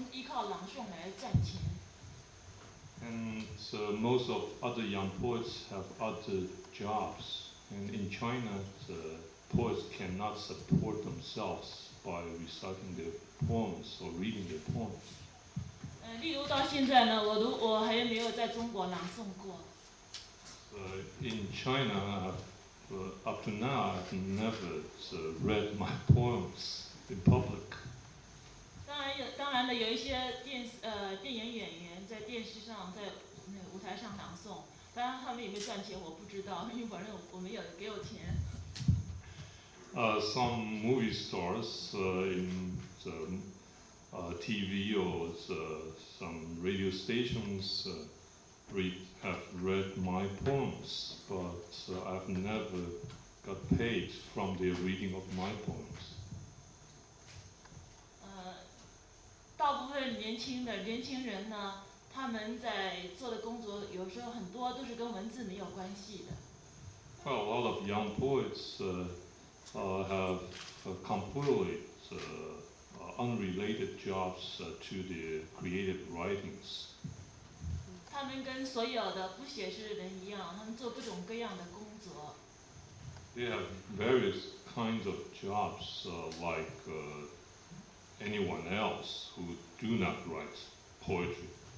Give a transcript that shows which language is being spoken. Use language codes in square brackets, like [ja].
[zh] 大部分青年诗人呢，他们都另外有职业，在中国呢，不能依靠朗诵来赚钱。 [en] And so most of other young poets have other jobs, and in China, the poets cannot support themselves by reciting their poems or reading their poems. [zh] 例如到现在呢，我还没有在中国朗诵过。 [en] In China, up to now, I've never read my poems in public. [zh] 当然有一些电影演员在电视上在舞台上朗诵，当然他们有没有赚钱我不知道，因为反正我没有给我钱。 [en] Some movie stars in the TV or some radio stations have read my poems, but I've never got paid from the reading of my poems. [zh] 大部分年轻人呢，他们在做的工作有时候很多都是跟文字没有关系的。 [en] Quite a lot of young poets have completely unrelated jobs to the creative writings. [zh] 他们跟所有的不写诗人一样，他们做各种各样的工作。 [en] They have various kinds of jobs like anyone else who do not write poetry.